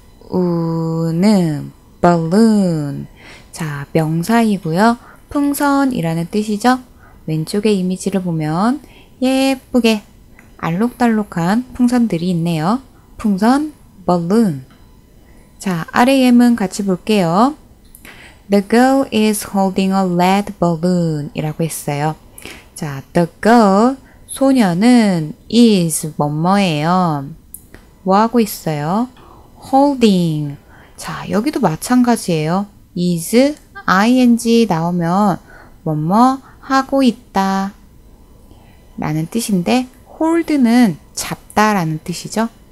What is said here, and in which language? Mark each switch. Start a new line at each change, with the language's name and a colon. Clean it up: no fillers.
Korean: 우는 balloon. 자, 명사이고요. 풍선이라는 뜻이죠. 왼쪽에 이미지를 보면 예쁘게 알록달록한 풍선들이 있네요. 풍선, balloon. 자, 아래 예문 같이 볼게요.
English: The girl is holding a red balloon
Korean: 이라고 했어요. 자, the girl, 소녀는 is 뭐뭐예요? 뭐하고 있어요? holding. 자, 여기도 마찬가지예요. is, ing 나오면 뭐뭐 하고 있다 라는 뜻인데 hold는 잡다 라는 뜻이죠.